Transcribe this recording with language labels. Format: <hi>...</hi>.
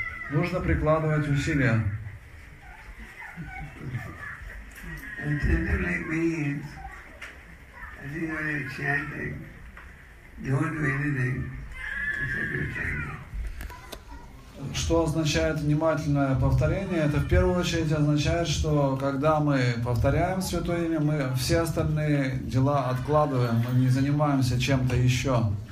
<ru>Нужно прикладывать усилия.</ru> <en>Attentively means as you are chanting, you won't do anything except you're chanting.</en> <ru>Что означает внимательное повторение? Это в первую очередь означает, что когда мы повторяем Святое Имя, мы все остальные дела откладываем, мы не занимаемся чем-то еще.</ru>